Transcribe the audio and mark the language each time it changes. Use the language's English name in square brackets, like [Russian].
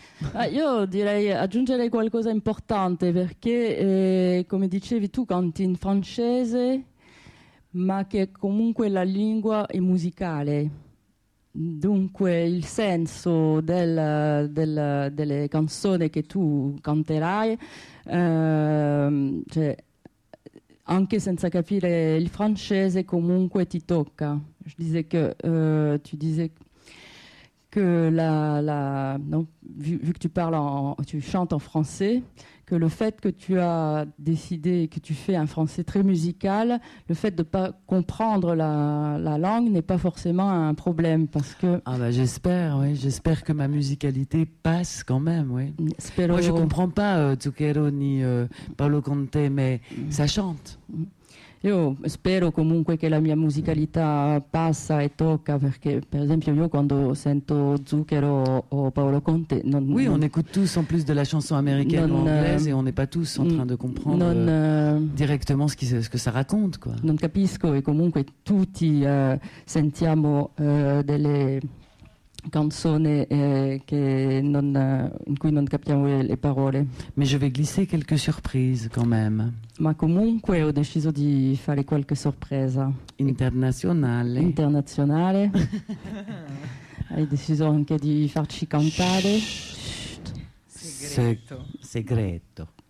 [Italian] Ah, io direi aggiungere qualcosa di importante, perché come dicevi tu, canti in francese, ma che comunque la lingua è musicale. Dunque il senso delle canzoni che tu canterai, cioè, anche senza capire il francese, comunque ti tocca. [French] Je disais que, tu disais que non, vu que tu chantes en français, que le fait que tu as décidé que tu fais un français très musical, le fait de pas comprendre la langue n'est pas forcément un problème, parce que... Ah bah j'espère, oui, j'espère que ma musicalité passe quand même, oui. [Italian] Spero... [French] Moi je comprends pas Zucchero ni Paolo Conte, mais ça chante. [Italian] Io spero comunque che la mia musicalità passa e tocca, perché per esempio io quando sento Zucchero o Paolo Conte... Non, [French] oui, on écoute tous en plus de la chanson américaine ou anglaise et on n'est pas tous en train de comprendre directement ce que ça raconte, quoi. [Italian] Non capisco, e comunque tutti sentiamo delle canzoni in cui non capiamo le parole. [French] Mais je vais glisser quelques surprises quand même. [Italian] Ma comunque ho deciso di fare qualche sorpresa. Internazionale. Internazionale. Hai deciso anche di farci cantare. Segreto. Segreto.